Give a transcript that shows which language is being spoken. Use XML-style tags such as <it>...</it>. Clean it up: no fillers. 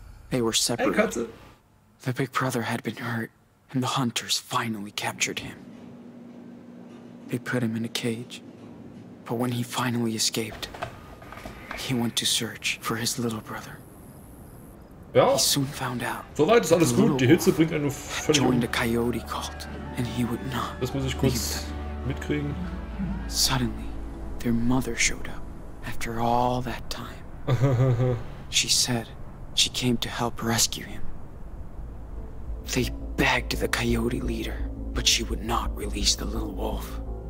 <en>They were separated. Hey, the big brother had been hurt, and the hunters finally captured him. They put him in a cage. But when he finally escaped, he went to search for his little brother.</en> <de>Ja.</de> <en>He soon found out.</en> <de>So weit ist alles gut. Die Hitze bringt einen völlig um.</de> <en>Joined a coyote cult, and he would not.</en> <de>Das muss ich kurz mitkriegen.</de> <en>Suddenly, their mother showed up after all that time. She said she came to help rescue him. They begged the coyote leader, but she would not release the little wolf.</en>